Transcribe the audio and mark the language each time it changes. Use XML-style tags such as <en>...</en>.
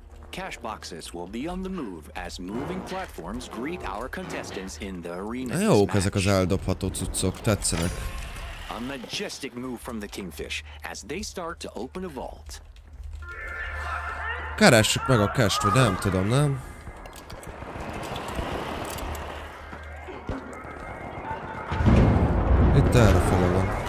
<en>Cash boxes will be on the move as moving platforms greet our contestants in the arena.</en> <hu>Jó, ezek az eldobható cuccok tetszenek.</hu> <en>A majestic move from the kingfish as they start to open a vault.</en> <hu>Keressük meg a cash-t, hogy nem tudom, nem? Itt erre fele van.</hu>